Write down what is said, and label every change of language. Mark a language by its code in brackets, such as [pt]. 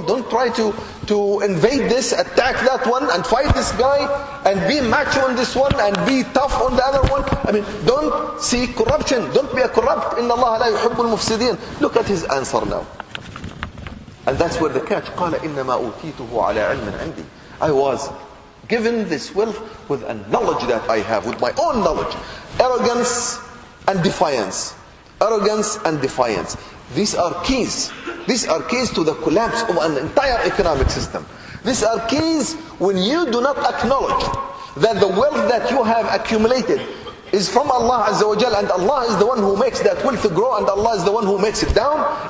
[en] Don't try to invade this, attack that one, and fight this guy, and be macho on this one, and be tough on the other one. I mean, don't seek corruption. Don't be a corrupt. [ar] إن الله لا يحب المفسدين. [en] Look at his answer now. And that's where the catch. [ar] قال إنما أوتيته على علم عندي. [en] I was given this wealth with a knowledge that I have, with my own knowledge. Arrogance and defiance. Arrogance and defiance. These are keys. These are keys to the collapse of an entire economic system. These are keys when you do not acknowledge that the wealth that you have accumulated is from Allah Azza wa Jal, and Allah is the one who makes that wealth grow, and Allah is the one who makes it down.